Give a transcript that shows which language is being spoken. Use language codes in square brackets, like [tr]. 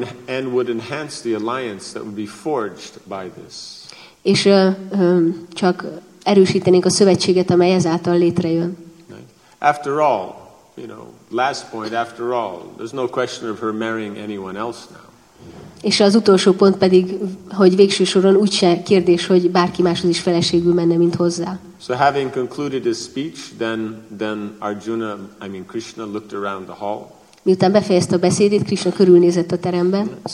[en] And would enhance the alliance that would be forged by this. [hu] És csak erősítenénk a szövetséget, amely ezáltal létrejön. [en] After all, you know, last point, after all, there's no question of her marrying anyone else now. [hu] És az utolsó pont pedig, hogy végső soron úgyse kérdés, hogy bárki máshoz is feleségül menne, mint hozzá. [en] So having concluded his speech, then Krishna looked around the hall. [hu] Miután befejezte a beszédét, Krishna körülnézett a teremben.